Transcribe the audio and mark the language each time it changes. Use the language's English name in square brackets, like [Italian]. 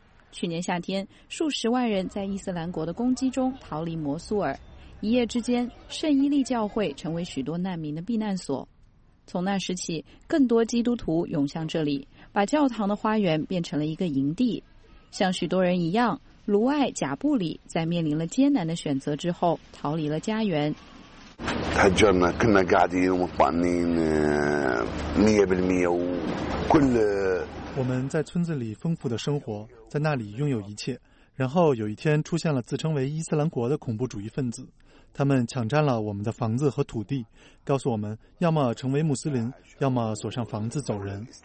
[Chinese] 去年夏天，数十万人在伊斯兰国的攻击中逃离摩苏尔，一夜之间，圣伊利教会成为许多难民的避难所。从那时起，更多基督徒涌向这里，把教堂的花园变成了一个营地。像许多人一样，卢艾·贾布里在面临了艰难的选择之后，逃离了家园。 [Arabic] تهجرنا كنا قاعدين ومطمئنين مئة بالمئة وكل [Chinese] 我们在村子里丰富的生活，在那里拥有一切。然后有一天出现了自称为伊斯兰国的恐怖主义分子，他们抢占了我们的房子和土地，告诉我们要么成为穆斯林，要么锁上房子走人。